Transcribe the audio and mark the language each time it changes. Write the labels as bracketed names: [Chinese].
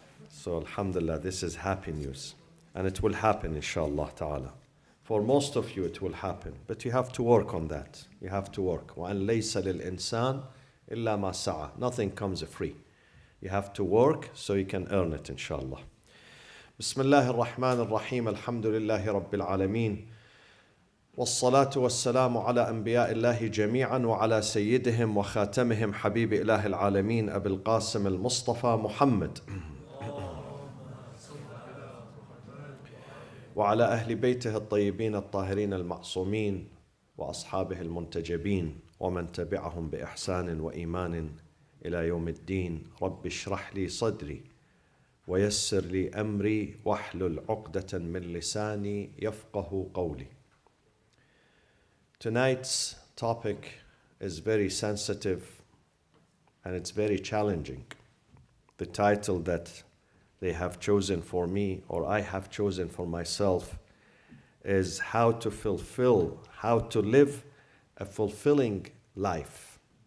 [English] So, alhamdulillah, this is happy news. And it will happen, inshallah ta'ala. For most of you, it will happen. But you have to work on that. You have to work. [Arabic] وَأَنْ لَيْسَ لِلْإِنسَانِ إِلَّا مَا سَعَى. [English] Nothing comes free. You have to work so you can earn it, inshallah. [Arabic] Bismillahir Rahmanir Rahim. Alhamdulillahi Rabbil Alameen. والصلاة والسلام على أنبياء الله جميعا وعلى سيدهم وخاتمهم حبيب إله العالمين أبي القاسم المصطفى محمد وعلى أهل بيته الطيبين الطاهرين المعصومين وأصحابه المنتجبين ومن تبعهم بإحسان وإيمان إلى يوم الدين رب اشرح لي صدري ويسر لي أمري واحلل عقدة من لساني يفقه قولي. [English] Tonight's topic is very sensitive and it's very challenging. The title that they have chosen for me, or I have chosen for myself, is how to fulfill, how to live a fulfilling life.